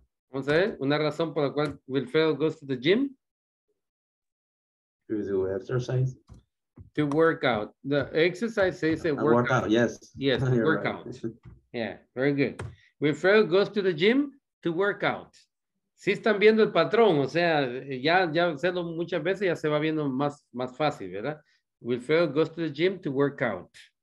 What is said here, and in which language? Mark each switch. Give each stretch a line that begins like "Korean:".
Spanish: Vamos a ver, una razón por la cual Wilfredo
English: goes to the gym. To do exercise. To work out. The exercise says workout. Workout, yes. Yes, workout. Right. Yeah, very good. Wilfredo goes to the gym to work out.
Spanish: Sí están viendo el patrón, o sea, ya, ya hacerlo muchas veces ya se va viendo más, más fácil, ¿verdad?
English: Wilfredo goes to the gym to work out.